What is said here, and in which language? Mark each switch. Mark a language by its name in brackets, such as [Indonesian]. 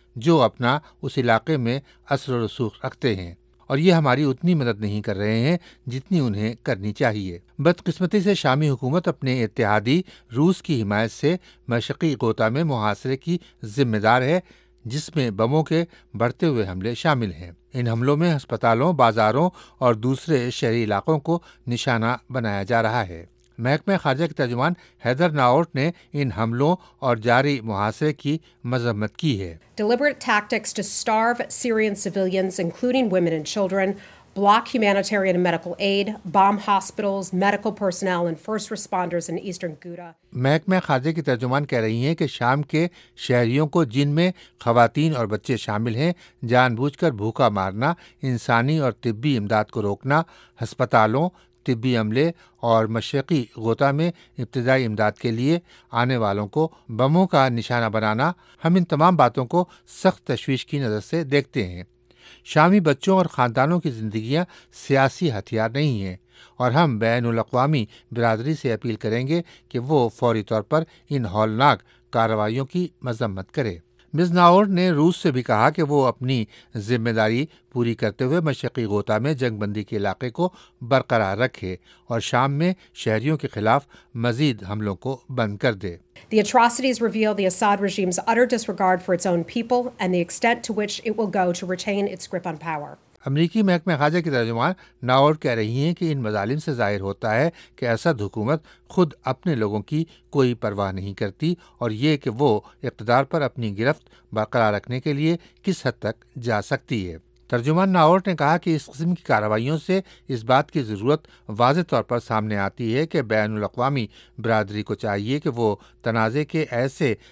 [Urdu] جو اپنا اس علاقے میں اثر و رسوخ رکھتے ہیں، اور یہ ہماری اتنی مدد نہیں کر رہے ہیں جتنی انہیں کرنی چاہیے۔ بدقسمتی سے شامی حکومت اپنے اتحادی روس کی حمایت سے مشرقی غوطہ میں محاصرے کی ذمہ دار ہے، جس میں بموں کے بڑھتے ہوئے حملے شامل ہیں۔ ان حملوں میں ہسپتالوں، بازاروں اور دوسرے شہری علاقوں کو نشانہ بنایا جا رہا ہے۔ محکمہ خارجہ کے ترجمان ہیدر ناورٹ نے ان حملوں اور جاری محاصرے کی مذمت کی ہے۔ [English] Deliberate tactics to starve Syrian civilians, including women and children, block humanitarian and medical aid, bomb hospitals, medical personnel and first responders in eastern Ghouta. [Urdu] محکمہ خارجہ کی ترجمان کہہ رہی ہیں کہ شام کے شہریوں کو، جن میں خواتین اور بچے شامل ہیں، جان بوجھ کر بھوکا مارنا، انسانی اور طبی امداد کو روکنا، ہسپتالوں، طبی عملے اور مشرقی غوطہ میں ابتدائی امداد کے لیے آنے والوں کو بموں کا نشانہ بنانا، ہم ان تمام باتوں کو سخت تشویش کی نظر سے دیکھتے ہیں۔ شامی بچوں اور خاندانوں کی زندگیاں سیاسی ہتھیار نہیں ہیں، اور ہم بین الاقوامی برادری سے اپیل کریں گے کہ وہ فوری طور پر ان ہولناک کارروائیوں کی مذمت کرے۔ مز ناور نے روس سے بھی کہا کہ وہ اپنی ذمہ داری پوری کرتے ہوئے مشرقی غوطہ میں جنگ بندی کے علاقے کو برقرار رکھے اور شام میں شہریوں کے خلاف مزید حملوں کو بند کر دے۔ [English] The atrocities reveal the Assad regime's utter disregard for its own people and the extent to which it will go to retain its grip on power. [Urdu] امریکی محکمہ خارجہ کی ترجمان ناور کہہ رہی ہیں کہ ان مظالم سے ظاہر ہوتا ہے کہ اسد حکومت خود اپنے لوگوں کی کوئی پرواہ نہیں کرتی، اور یہ کہ وہ اقتدار پر اپنی گرفت برقرار رکھنے کے لیے کس حد تک جا سکتی ہے۔ ترجمان ناورٹ نے کہا کہ اس قسم کی کارروائیوں سے اس بات کی ضرورت واضح طور پر سامنے آتی ہے کہ بین الاقوامی برادری کو چاہیے کہ وہ تنازع کے ایسے